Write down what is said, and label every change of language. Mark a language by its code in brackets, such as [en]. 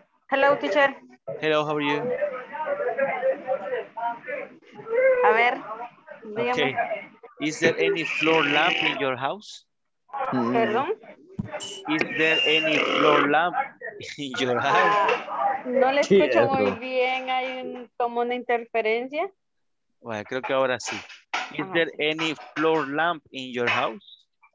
[en] Hello, teacher. Hello, how are you? [es] A ver, dígame. [en] Okay, is there any floor lamp in your house? [es] Perdón? [en] Is there any floor lamp in your house? [es] No le escucho muy bien, hay como una interferencia. Bueno, creo que ahora sí. [en] Is there any floor lamp in your house?